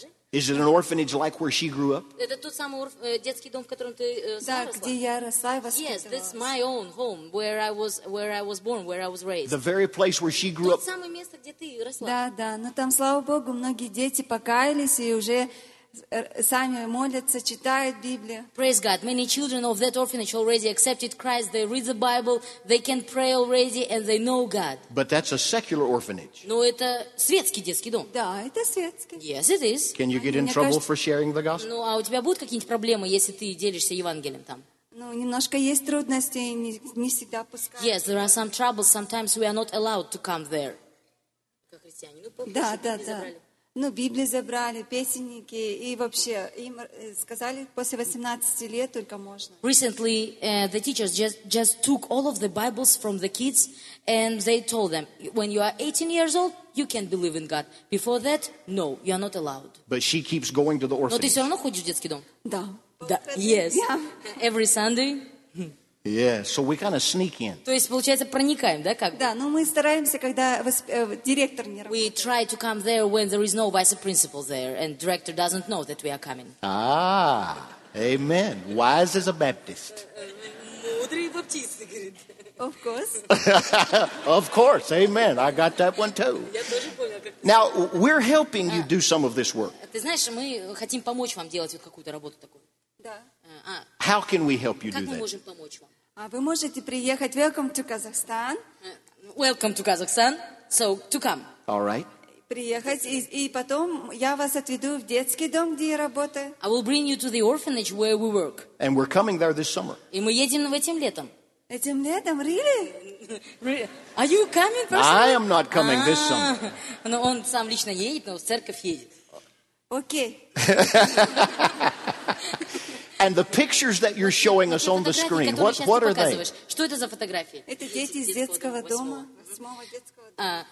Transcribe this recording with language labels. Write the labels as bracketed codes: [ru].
[en] Is it an orphanage like where she grew up? [ru] Это тот самый детский дом, в котором ты росла? Да, где я росла и воспитывалась. [en] Yes, that's my own home where I was born, where I was raised. The very place where she grew up. [ru] Тот самый место, где ты росла. Да, да, но там, слава Богу, многие дети покаялись и уже сами молятся, читают Библию. [en] Praise God. Many children of that orphanage already accepted Christ. They read the Bible, they can pray already, and they know God. But that's a secular orphanage. [ru] Но это светский детский дом. Да, это светский. Yes, it is. [en] Can you get in trouble for sharing the gospel? [ru] Ну, а у тебя будут какие-нибудь проблемы, если ты делишься Евангелием там? Ну, немножко есть трудности, не всегда пускают. [en] Yes, there are some troubles. Sometimes we are not allowed to come there. [ru] Как христиане. Ну, да, да, да. Ну, Библию забрали, песенники, и вообще, им сказали, после 18 лет только можно. [en] Recently, the teachers just took all of the Bibles from the kids, and they told them, when you are 18 years old, you can believe in God. Before that, no, you are not allowed. But she keeps going to the orphanage. [ru] Но ты все равно ходишь в детский дом? Да. [en] Yes. Yeah. Every Sunday. Yeah, so we kind of sneak in. [ru] То есть получается проникаем, да, как? Да, но мы стараемся, когда директор не работает. [en] We try to come there when there is no vice principal there and director doesn't know that we are coming. Ah, amen. Wise as a Baptist. [ru] Мудрый баптист говорит. [en] Of course. Of course, amen. I got that one too. [ru] Я тоже понял, как. [en] Now we're helping you do some of this work. [ru] Ты знаешь, мы хотим помочь вам делать вот какую-то работу такую. Да. [en] How can we help you [ru] как [en] do that? [ru] Вы можете приехать. [en] Welcome to Kazakhstan. Welcome to Kazakhstan. So, to come. All right. [ru] Приехать, и потом я вас отведу в детский дом, где я работаю. [en] I will bring you to the orphanage where we work. And we're coming there this summer. [ru] И мы едем в этим летом. Этим летом? [en] Really? Are you coming personally? I am not coming this summer. [ru] Но он сам лично едет, но в церковь едет. Окей. [en] And the pictures that you're showing us on the screen, what are they? [ru] Что это за фотографии? Это дети из детского дома, самого детского дома.